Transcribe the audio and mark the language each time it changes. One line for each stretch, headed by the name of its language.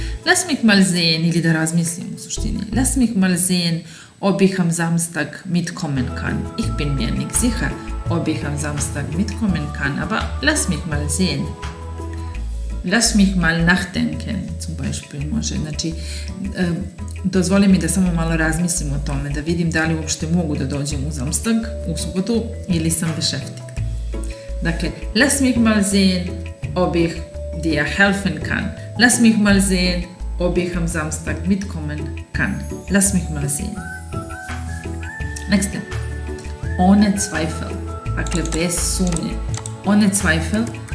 German: Lass mich mal sehen,
Serbian: ili da razmislim u suštini.
German: Lass mich mal sehen, ob ich am Samstag mitkommen kann. Ich bin mir nicht sicher, ob ich am Samstag mitkommen kann, aber lass mich mal sehen. Lass mich mal nachdenken, zum Beispiel može.
Serbian: Znači, dozvoli mi da samo malo razmislim o tome, da vidim da li uopšte mogu da dođem u Samstag, u subotu, ili sam beschäftigt.
German: Dakle, lass mich mal sehen, ob ich dir helfen kann. Lass mich mal sehen, ob ich am Samstag mitkommen kann. Lass mich mal sehen. Next. Ohne Zweifel.
Serbian: Dakle, bez sumnje.
German: Ohne Zweifel.